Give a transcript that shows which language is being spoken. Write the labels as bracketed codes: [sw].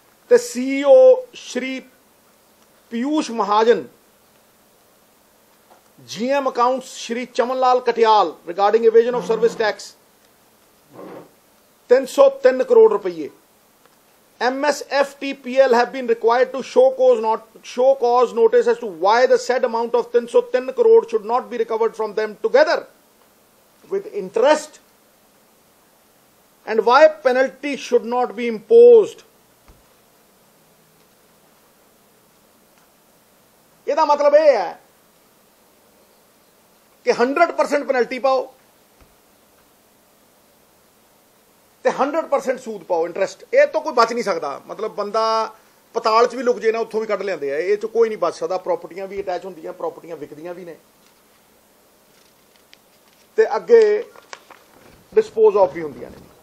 [pa] ਤੇ CEO Shri Piyush Mahajan, GM accounts Shri Chaman Lal ਕਟਿਆਲ [en] regarding evasion of service tax [pa] 303 crore ਰੁਪਈਏ। [en] MSFTPL have been required to show cause notice as to why the said amount of 303 crore should not be recovered from them together with interest and why penalty should not be imposed. [pa] Ida matlab eh hai ki 100% penalty pao ਤੇ 100% ਸੂਦ ਪਾਓ interest. ਇਹ ਤੋਂ ਕੋਈ ਬਚ ਨਹੀਂ ਸਕਦਾ, ਮਤਲਬ ਬੰਦਾ ਪਤਾਲ 'ਚ ਵੀ ਲੁਕ ਜੇ ਨਾ ਉੱਥੋਂ ਵੀ ਕੱਢ ਲਿਆਉਂਦੇ ਆ, ਇਹ 'ਚ ਕੋਈ ਨਹੀਂ ਬਚ ਸਕਦਾ। ਪ੍ਰੋਪਰਟੀਆਂ ਵੀ ਅਟੈਚ ਹੁੰਦੀਆਂ, ਪ੍ਰੋਪਰਟੀਆਂ ਵਿਕਦੀਆਂ ਵੀ ਨੇ ਅਤੇ ਅੱਗੇ [en] dispose of [pa] ਵੀ ਹੁੰਦੀਆਂ ਨੇ।